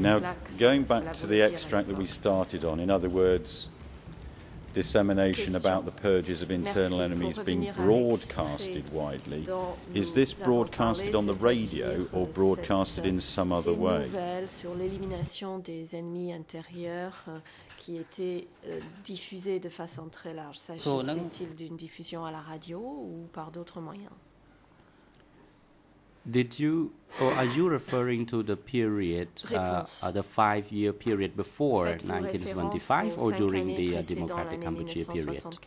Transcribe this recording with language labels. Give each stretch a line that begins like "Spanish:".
English: Now, going back to the extract that we started on, in other words, dissemination about the purges of internal enemies being broadcasted widely, is this broadcasted on the radio or broadcasted in some other way?
French: Sur l'élimination des ennemis intérieurs qui étaient diffusés de façon très large. S'agissait-il d'une diffusion à la radio ou par d'autres moyens?
English: Did you, or are you referring to the period, the five-year period before 1975 or during the Democratic Kampuchea period?